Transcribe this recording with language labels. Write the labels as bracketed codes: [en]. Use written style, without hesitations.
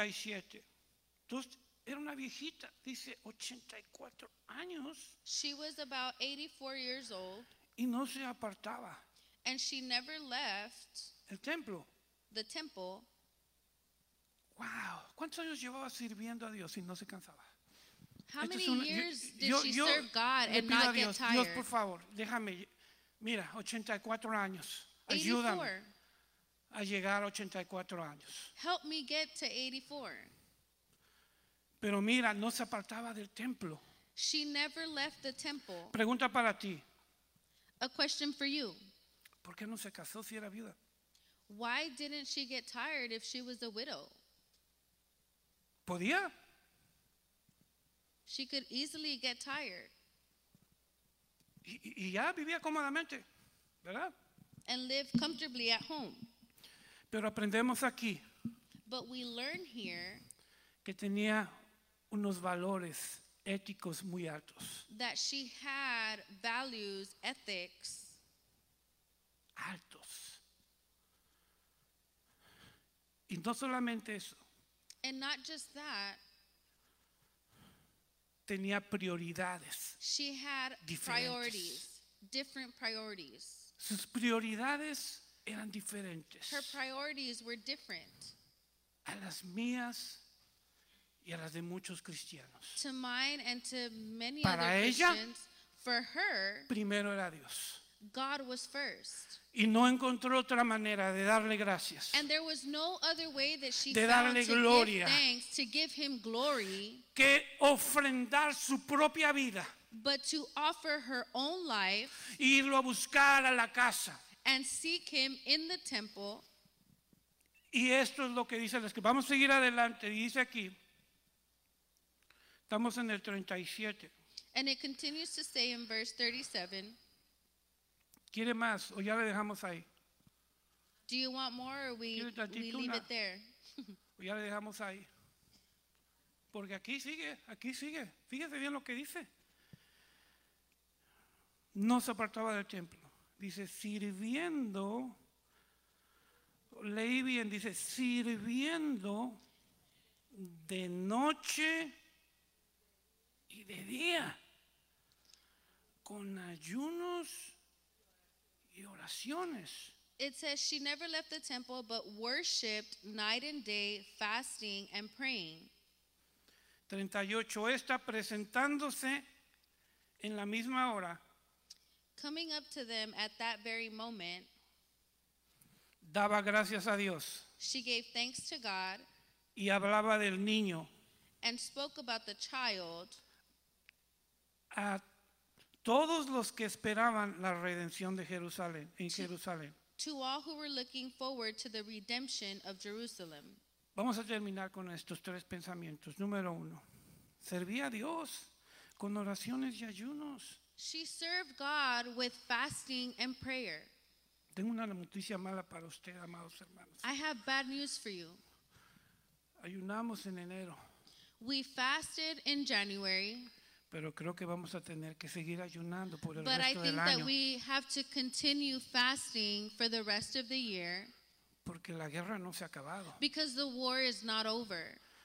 [es] 37. Entonces, era una viejita, dice 84 años. [en] She was about 84 years old. [es] Y no se apartaba. [en] And she never left [es] el templo. [en] The temple. Wow. [es] ¿Cuántos años llevaba sirviendo a Dios y no se cansaba? [en] How many years did she serve God and not get [es] Dios, [en] tired? [es] Dios, por favor, déjame. Mira, 84 años. Ayúdame 84. A llegar a 84 años. [en] Help me get to 84. [es] Pero mira, no se apartaba del templo. [en] She never left the temple. [es] Pregunta para ti. [en] A question for you. [es] ¿Por qué no se casó si era viuda? [en] Why didn't she get tired if she was a widow? [es] ¿Podía? [en] She could easily get tired. [es] Y ya vivía cómodamente, ¿verdad? [en] And live comfortably at home. [es] Pero aprendemos aquí. [en] But we learn here. [es] Que tenía unos valores éticos muy altos. [en] That she had values, ethics. [es] Altos. Y no solamente eso. [en] And not just that. [es] Tenía prioridades. [en] She had [es] diferentes. [en] Priorities. Different priorities. [es] Sus prioridades eran diferentes. [en] Her priorities were different. [es] A las mías. Y a las de muchos cristianos. [en] To mine and to many [es] para [en] other [es] ella, [en] Christians, for her, [es] primero era Dios. [en] God was first. [es] Y no encontró otra manera de darle gracias. [en] And there was no other way that she [es] de darle [en] found to give thanks, to give him glory, [es] que ofrendar su propia vida, [en] but to offer her own life, [es] e irlo a buscar a la casa, [en] and seek him in the temple. [es] Y esto es lo que dice la escritura. Vamos a seguir adelante. Dice aquí, estamos en el 37. [en] And it continues to say in verse 37. [es] ¿Quiere más o ya le dejamos ahí? [en] Do you want more or we leave it there? [es] O ya le dejamos ahí. Porque aquí sigue. Fíjese bien lo que dice. No se apartaba del templo. Dice, sirviendo. Leí bien, dice, sirviendo de noche y de día, con ayunos y oraciones. [en] It says she never left the temple but worshipped night and day, fasting and praying. [es] 38, esta presentándose en la misma hora, [en] coming up to them at that very moment, [es] daba gracias a Dios. [en] She gave thanks to God. [es] Y hablaba del niño. [en] And spoke about the child. [es] A todos los que esperaban la redención de Jerusalén, en Jerusalén. [en] To all who were looking forward to the redemption of Jerusalem. [es] Vamos a terminar con estos tres pensamientos. Número uno. Servía a Dios con oraciones y ayunos. [en] She served God with fasting and prayer. [es] Tengo una noticia mala para usted, amados hermanos. [en] I have bad news for you. [es] Ayunamos en enero. [en] We fasted in January. [es] Pero creo que vamos a tener que seguir ayunando por el resto del año. [en] But I think that we have to continue fasting for the rest of the year. [es] Porque la guerra no se ha acabado. [en] Because the war is not over.